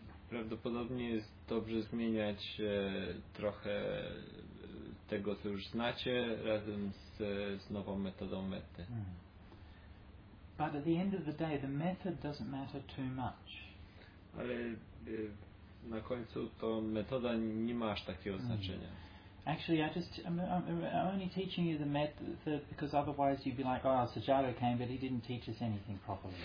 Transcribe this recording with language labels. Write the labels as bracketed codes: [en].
[pl] Prawdopodobnie jest dobrze zmieniać trochę tego, co już znacie, razem z nową metodą metty. [en] But at the end of the day, the method doesn't matter too much. [pl] Ale na końcu to metoda nie ma aż takiego znaczenia. [en] Actually, I'm only teaching you the method because otherwise you'd be like, Sajago came, but he didn't teach us anything properly.